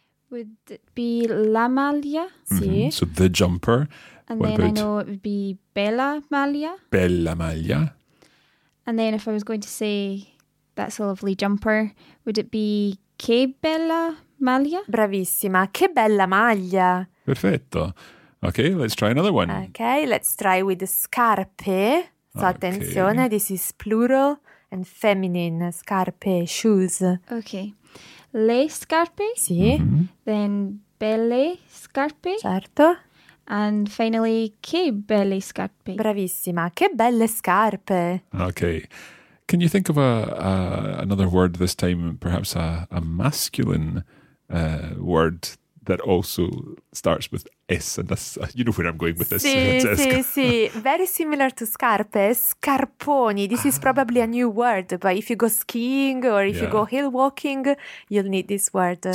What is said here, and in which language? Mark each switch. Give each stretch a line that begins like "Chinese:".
English: Would it be la maglia? Mm-hmm. Sì. So the jumper. And what then about? I know it would be bella maglia.
Italian: Bella maglia.
English: And then if I was going to say, that's a lovely jumper, would it be
Italian: che bella maglia? Bravissima, che bella maglia. Perfetto.
English: Okay, let's try another one. Okay, let's try with the scarpe. So okay. Attenzione, this is plural and feminine.
Italian: Scarpe, shoes. Okay. Le scarpe. Sì. Mm-hmm. Then belle scarpe. Certo.
English: And finally,
Italian: che belle scarpe. Bravissima, che belle scarpe.
English: Okay. Can you think of another word this time, perhaps a masculine word that also starts with S? And that's, you know where I'm going with this.
Italian: Sì, sì, sì.
English: Very similar to scarpe, scarponi. This is probably a new word, but if you go skiing or if you go hill walking, you'll need this word.